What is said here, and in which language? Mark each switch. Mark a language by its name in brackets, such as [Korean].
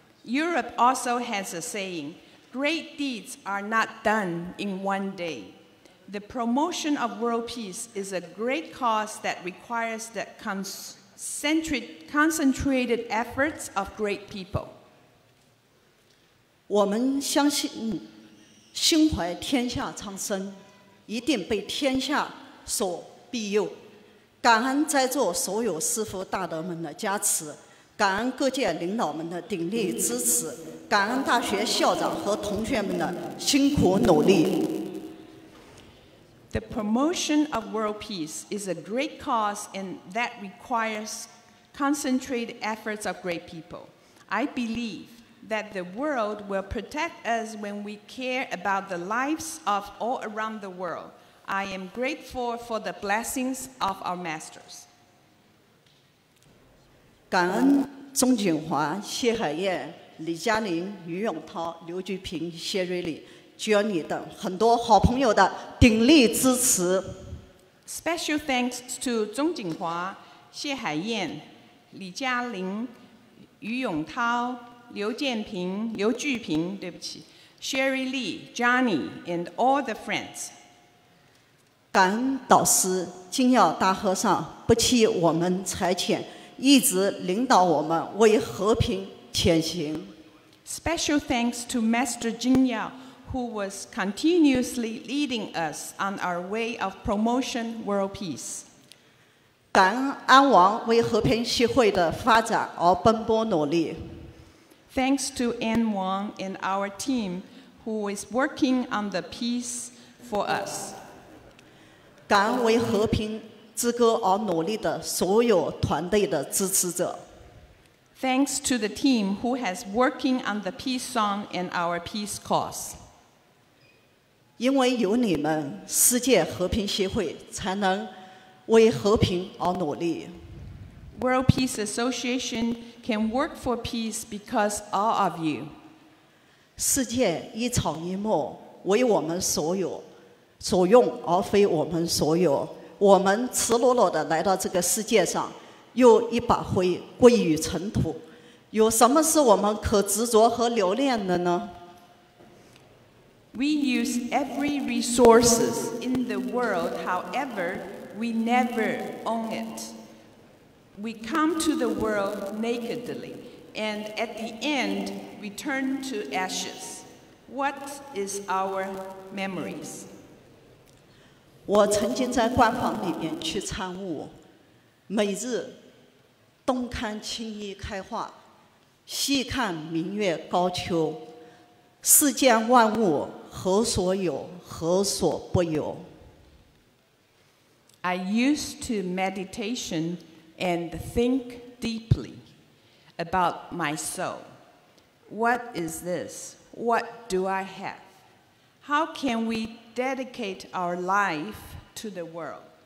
[English] Europe also has a saying,Great deeds are not done in one day. The promotion of world peace is a great cause that requires the concentrated efforts of great people. [Chinese] 我们相信心怀天下苍生，一定被天下所庇佑。感恩在座所有师父大德们的加持。感恩各界领导们的鼎力支持，感恩大学校长和同学们的辛苦努力。 [English] The promotion of world peace is a great cause and that requires concentrated efforts of great people. I believe that the world will protect us when we care about the lives of all around the world. I am grateful for the blessings of our masters. [Chinese] 感恩钟锦华、谢海燕、李嘉玲、于永涛、刘菊平、谢瑞丽、Jenny 等很多好朋友的鼎力支持。 [English] Special thanks to 钟锦华、谢海燕、李嘉玲、于永涛、刘菊平， [Chinese] 对不起 [English] ，Sherry Lee、Johnny and all the friends。 [Chinese] 感恩导师金耀大和尚不弃我们差遣。一直领导我们为和平前行。 [English] Special thanks to Master Jin Yao, who was continuously leading us on our way of promotion world peace. [Chinese] 感恩安王为和平协会的发展而奔波努力。 [English] Thanks to An Wang and our team, who is working on the peace for us. [Chinese] 感恩为和平。之歌而努力的所有团队的支持者。 [English] Thanks to the team who has working on the peace song and our peace cause. [Chinese] 因为有你们，世界和平协会才能为和平而努力。 [English] World Peace Association can work for peace because all of you. [Chinese] 世界一草一木，为我们所有所用，而非我们所有。我们赤裸裸地来到这个世界上，又一把灰归于尘土。有什么是我们可执着和留恋的呢？ [English] We use every resources in the world, however, we never own it. We come to the world nakedly, and at the end, we turn to ashes. What is our memories? [Chinese] 我曾经在官房里面去参悟，每日东看青衣开化，细看明月高秋，世间万物何所有，何所不有。 [English] I used to meditation and think deeply about my soul. What is this? What do I have? How can we dedicate our life to the world?